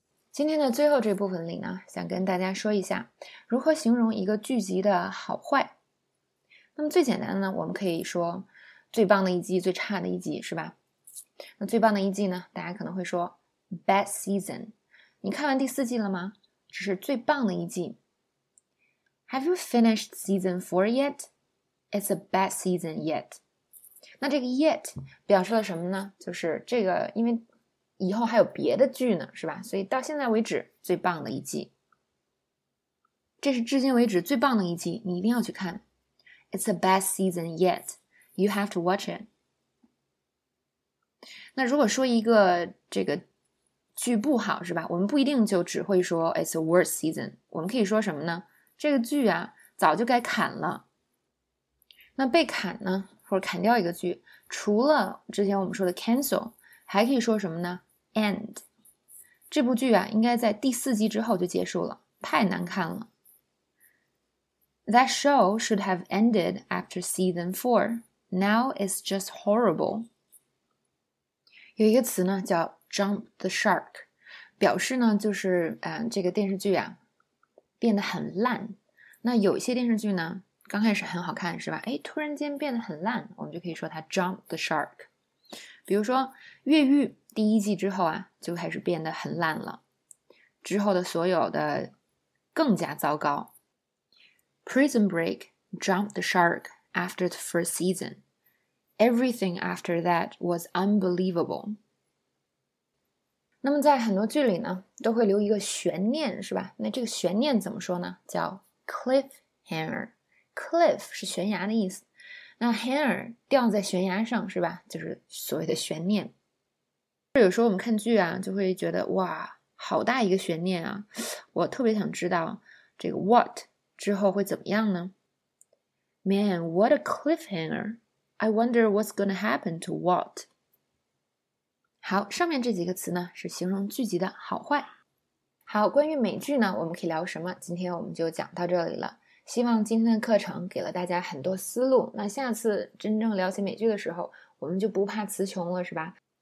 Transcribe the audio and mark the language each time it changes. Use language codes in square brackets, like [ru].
[zh] 今天的最后这部分里呢，想跟大家说一下如何形容一个剧集的好坏。那么最简单的呢，我们可以说最棒的一集，最差的一集，是吧？那最棒的一季呢，大家可能会说 [en] Best season。 [zh] 你看完第四季了吗？这是最棒的一季。 [en] Have you finished season 4 yet? It's the best season yet。 [zh] 那这个 yet 表示了什么呢？就是这个，因为以后还有别的剧呢，是吧？所以到现在为止最棒的一季，这是至今为止最棒的一季，你一定要去看。 [en] It's the best season yet. You have to watch it. [zh] 那如果说一个这个剧不好，是吧？我们不一定就只会说 [en] It's the worst season. [zh] 我们可以说什么呢？这个剧啊，早就该砍了。那被砍呢，或者砍掉一个剧，除了之前我们说的 cancel， 还可以说什么呢？ end。这部剧啊，应该在第四季之后就结束了，太难看了。 [en] That show should have ended after season 4. Now it's just horrible. [zh] 有一个词呢叫 [en] jump the shark， [zh] 表示呢就是这个电视剧啊变得很烂。那有些电视剧呢刚开始很好看，是吧？哎，突然间变得很烂，我们就可以说它 [en] jump the shark。 [zh] 比如说越狱第一季之后啊，就开始变得很烂了，之后的所有的更加糟糕。 [en] Prison Break jumped the shark after the first season. Everything after that was unbelievable. [zh] 那么在很多剧里呢都会留一个悬念，是吧？那这个悬念怎么说呢？叫 cliffhangerCliff 是悬崖的意思，那 hanger 掉在悬崖上，是吧？就是所谓的悬念。有时候我们看剧啊，就会觉得哇，好大一个悬念啊！我特别想知道这个 what 之后会怎么样呢 ？ [en] Man, what a cliffhanger! I wonder what's gonna happen to what. [zh] 好，上面这几个词呢是形容剧集的好坏。好，关于美剧呢，我们可以聊什么？今天我们就讲到这里了。希望今天的课程给了大家很多思路，那下次真正了解美剧的时候，我们就不怕词穷了，是吧？